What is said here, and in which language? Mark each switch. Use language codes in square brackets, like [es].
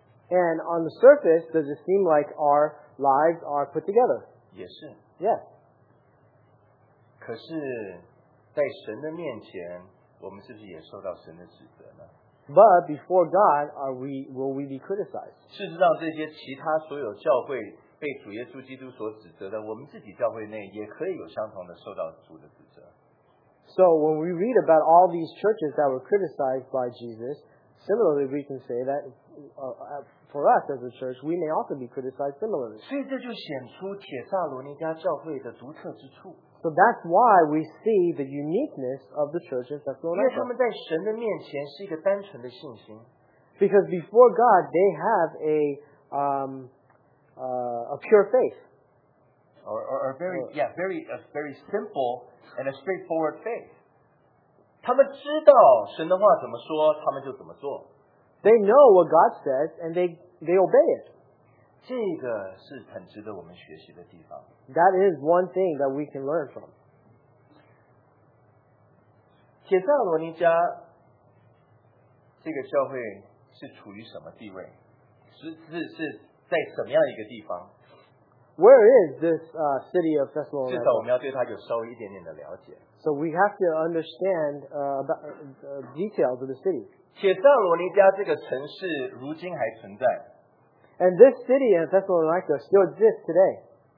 [en] And on the surface, does it seem like our lives are put together? [zh] 也是。 [en] Yes. [zh] 可是，在神的面前，我们是不是也受到神的指责呢？ [en] But before God, will we be criticized? [zh] 事实上，这些其他所有教会被主耶稣基督所指责的，我们自己教会内也可以有相同的受到主的指责。 [en] So when we read about all these churches that were criticized by Jesus, similarly we can say that for us as a church, we may also be criticized similarly. [zh] 所以这就显出帖撒罗尼迦教会的独特之处。 [en] So that's why we see the uniqueness of the church in Thessalonica. [zh] 因为他们在神的面前是一个单纯的信心。 [en] Because before God, they have a pure faith. Or a very simple and a straightforward faith. [zh] 他们知道神的话怎么说，他们就怎么做。 [en] They know what God says, and they obey it. [zh] 这个是很值得我们学习的地方。 [en] That is one thing that we can learn from. [zh] 帖撒罗尼迦这个教会是处于什么地位？是在什么样一个地方？ [en] Where is this city of Thessalonica? [zh] 至少我们要对它有稍微一点点的了解。 [en] So we have to understand about details of the city. [zh] 帖撒罗尼迦这个城市如今还存在。 [en] And this city in Thessalonica still exists today.